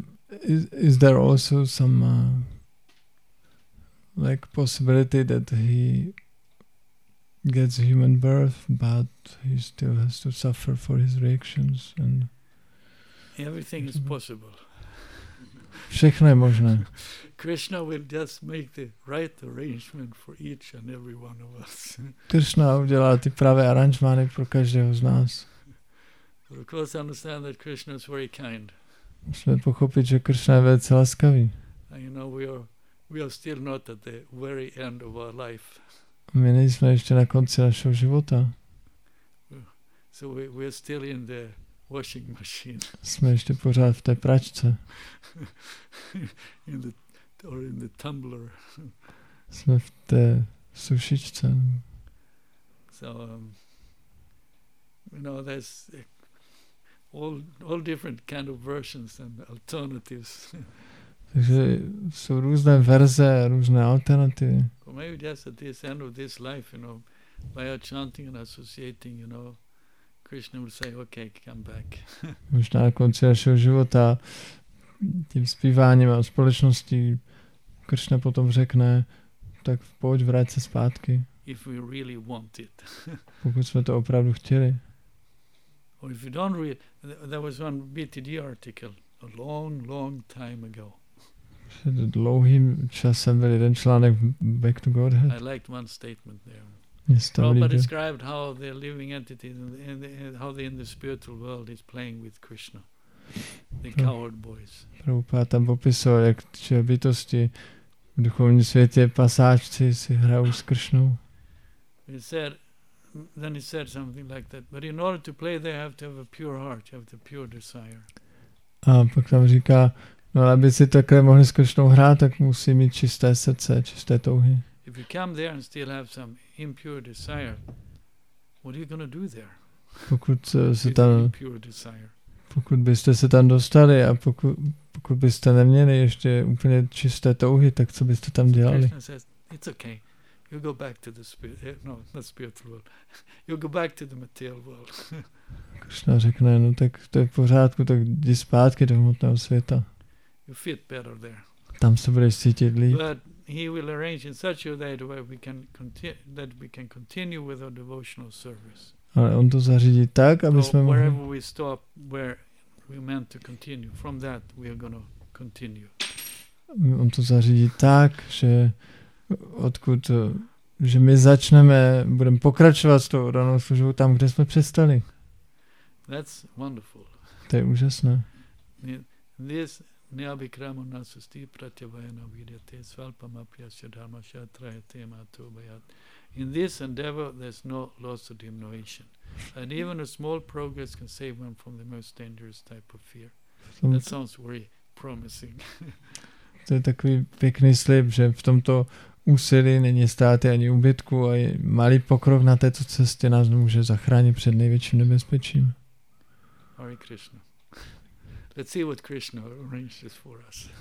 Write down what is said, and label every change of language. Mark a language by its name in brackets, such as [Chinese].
[English] Is there also some like possibility that he gets human birth, but he still has to suffer for his reactions and? Everything is possible. [Czech] Všechno je možné. [English] Krishna will just make the right arrangement for each and every one of us. [Czech] Krishna udělá ty pravé aranžmány pro každého z nás. [English] But of course, I understand that Krishna is very kind. [Czech] Musíme pochopit, že Krishna je velice laskavý. [English] And you know, we are still not at the very end of our life. [Czech] My nejsme ještě na konci našeho života. [English] So we are still in the washing machine. [Czech] Jsme ještě pořád v té pračce. [English] in the tumbler. [Czech] Jsme v té sušičce. [English] So you know, there's all different kind of versions and alternatives. [Czech] Takže jsou různé verze, různé alternativy. [English] Or maybe just at this end of this life, you know, by our chanting and associating, you know, Krishna will say, okay, come back. [Czech] Možná na konci našeho života tím zpíváním a společností Krishna potom řekne, tak pojď, vrát se zpátky. [English] If we really want it. [Czech] Pokud jsme to opravdu chtěli. [English] Or if you don't read, there was one BTD article a long time ago. [Czech] Před dlouhým časem byl jeden článek Back to Godhead. [English] I liked one statement there. Prabhupada described how the living entity in the spiritual world is playing with Krishna. The coward boys. [Czech] Prabhupada tam popisoval, jak tři bytosti v duchovním světě pasáčci si hrajou s Krishnou. [English] Then he said something like that. But in order to play, they have to have a pure heart, have the pure desire. [Czech] A pak tam říká, no, aby si takhle mohli s Krishnou hrát, tak musí mít čisté srdce, čisté touhy. [English] If you come there and still have some impure desire, what are you going to do there? [Czech] Pokud se tam, pokud byste se tam dostali a pokud byste neměli ještě úplně čisté touhy, tak co byste tam dělali? [English] Krishna says, it's okay. You go back to the spiritual world. You go back to the material world. [Czech] Krishna řekne, no tak to je v pořádku, tak jdi zpátky do hmotného světa. [English] You fit better there. [Czech] Tam se budeš cítit líp. [English] But he will arrange in such a way that we can continue with our devotional service. [Czech] Ale on to zařídí tak, aby so jsme mohli. [English] Wherever we stop, where we meant to continue, from that we are going to continue. [Czech] On to zařídí tak, že odkud, že my začneme, budeme pokračovat s tou danou službou tam, kde jsme přestali. [English] That's wonderful. [Czech] To je úžasné. [Sanskrit] This neabhikrama nasusti pratyavayana vidyate svalpam apyasya dharma shatrayate matubayat. [English] In this endeavor, there's no loss of diminution. And even a small progress can save one from the most dangerous type of fear. That sounds very promising. [Czech] To je takový pěkný slib, že v tomto úsilí není ztráty ani úbytku a malý pokrok na této cestě nás může zachránit před největším nebezpečím. [English] Hare Krishna. Let's see what Krishna arranges for us.